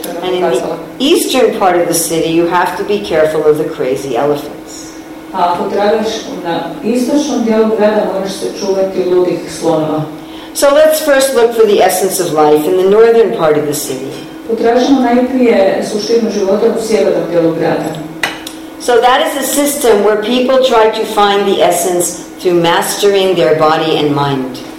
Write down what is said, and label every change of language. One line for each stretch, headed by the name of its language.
English: And in the eastern part of the city, you have to be careful of the crazy elephants.
Croatian: A ako tražiš na istočnom dijelu grada, moraš se čuvati ludih slonova.
English: So let's first look for the essence of life in the northern part of the city.
Croatian: Potražimo najprije suštinu života u sjevernom dijelu grada.
English: So that is a system where people try to find the essence through mastering their body and mind.